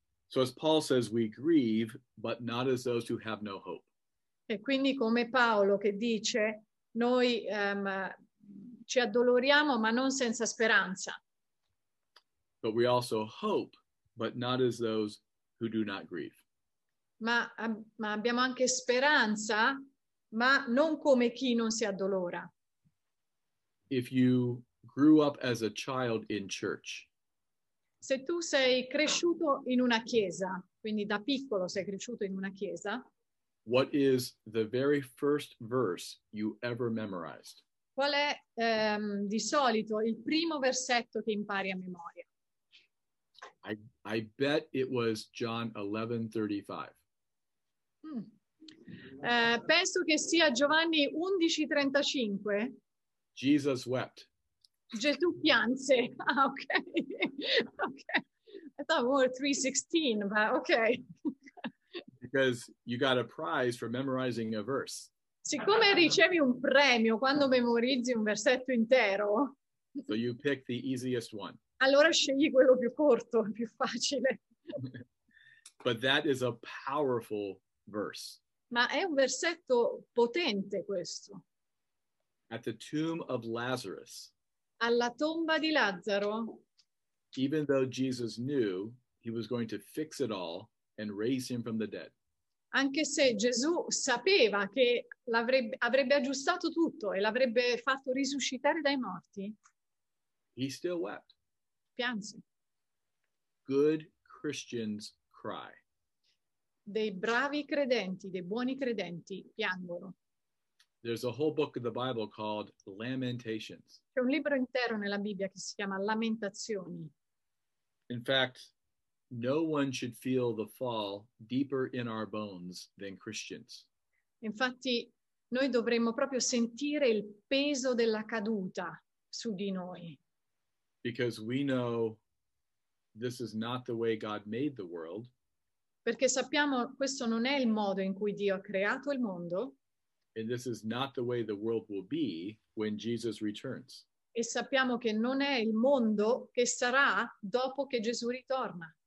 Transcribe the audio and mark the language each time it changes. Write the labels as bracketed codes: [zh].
[en] So as Paul says, we grieve, but not as those who have no hope. [it] E quindi come Paolo che dice, noi ci addoloriamo, ma non senza speranza. [en] But we also hope, but not as those who do not grieve. [it] Ma abbiamo anche speranza, ma non come chi non si addolora. [en] If you grew up as a child in church. [it] Se tu sei cresciuto in una chiesa, quindi da piccolo sei cresciuto in una chiesa. [en] What is the very first verse you ever memorized? [it] Qual è di solito il primo versetto che impari a memoria? [en] I bet it was John 11:35. [it] Penso che sia Giovanni 11:35. [en] Jesus wept. [it] Gesù pianse. [en] Ah, okay. Okay. I thought more 3:16, but okay. Because you got a prize for memorizing a verse. [it] Siccome ricevi un premio quando memorizzi un versetto intero. [en] So you pick the easiest one. [it] Allora scegli quello più corto, più facile. [en] But that is a powerful verse. [it] Ma è un versetto potente questo. [en] At the tomb of Lazarus. [it] Alla tomba di Lazzaro. [en] even though Jesus knew he was going to fix it all and raise him from the dead. [it] Anche se Gesù sapeva che avrebbe aggiustato tutto e l'avrebbe fatto risuscitare dai morti, [en] he still wept. [it] Pianse. [en] Good Christians cry. [it] Dei bravi credenti, dei buoni credenti, piangono. [en] There's a whole book of the Bible called Lamentations. [it] C'è un libro intero nella Bibbia che si chiama Lamentazioni. [en] In fact, no one should feel the fall deeper in our bones than Christians. [it] Infatti, noi dovremmo proprio sentire il peso della caduta su di noi. [en] Because we know this is not the way God made the world. [it] Perché sappiamo questo non è il modo in cui Dio ha creato il mondo. [en] And this is not the way the world will be when Jesus returns. [it] E sappiamo che non è il mondo che sarà dopo che Gesù ritorna.